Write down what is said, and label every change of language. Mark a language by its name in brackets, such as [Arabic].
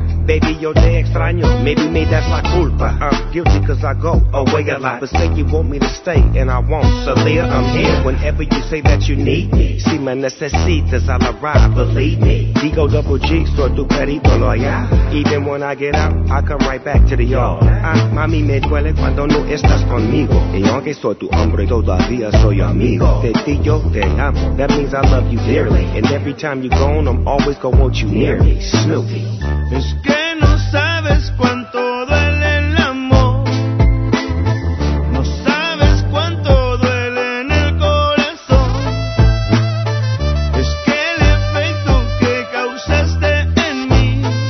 [English] Baby, [Spanish] yo te extraño. [English] Maybe that's my culpa. I'm guilty cause I go away a lot. But say you want me to stay, and I won't. So Leah, I'm here whenever you say that you need me. [Spanish] Si me necesitas, [English] I'll arrive, believe me. [Spanish] Digo [English] double G, [Spanish] soy tu perito [English] loyal. Even when I get out, I come right back to the yard. [Spanish] Ah, mami, me duele cuando no estás conmigo. Y aunque soy tu hombre, todavía soy amigo. De ti yo te amo. [English] That means I love you dearly. And every time you're gone, I'm always gonna want you near me. Snoopy. [Spanish] Es que no sabes cuánto duele el amor. No sabes cuánto duele en el corazón. Es que el efecto que causaste en mí.